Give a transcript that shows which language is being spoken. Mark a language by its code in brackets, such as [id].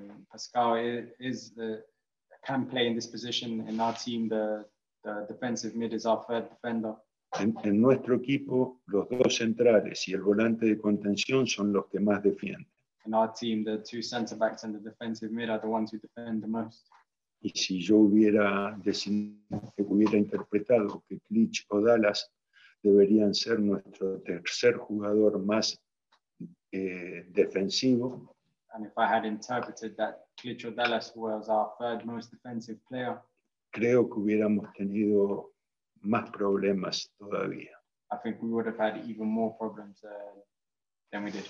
[en] Pascal can play in this position in our team. The defensive mid is our third defender. [es] En nuestro equipo, los dos centrales y el volante de contención son los que más defienden. [en] In our team, the two center backs and the defensive mid are the ones who defend the most. [es] Y si yo hubiera interpretado que Klich o Dallas deberían ser nuestro tercer jugador más defensivo. [en] And if I had interpreted that Klich o Dallas was our third most defensive player. [es] Creo que hubiéramos tenido más problemas todavía. [en] I think we would have had even more problems than we did.